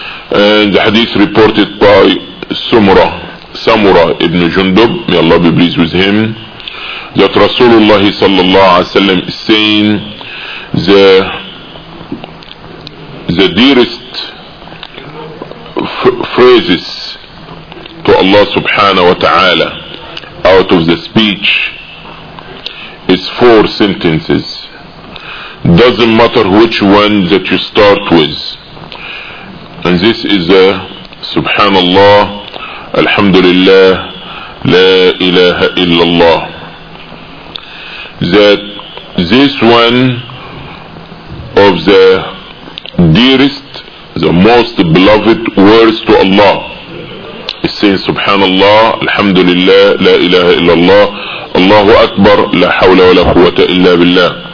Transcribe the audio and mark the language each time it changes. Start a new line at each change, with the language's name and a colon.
English: And the hadith reported by Samura ibn Jundub, may Allah be pleased with him, that Rasulullah sallallahu alayhi wa sallam is saying the dearest phrases to Allah subhanahu wa ta'ala out of the speech is four sentences. Doesn't matter which one that you start with. And this is a Subhanallah,
Arabic: الحمد لله لا إله إلا الله.
English: That this one of the dearest, the most beloved words to Allah. He says, Subhanallah, Alhamdulillah, La ilaha illallah, Allahu Akbar, La hawla wa la quwwata illa billah.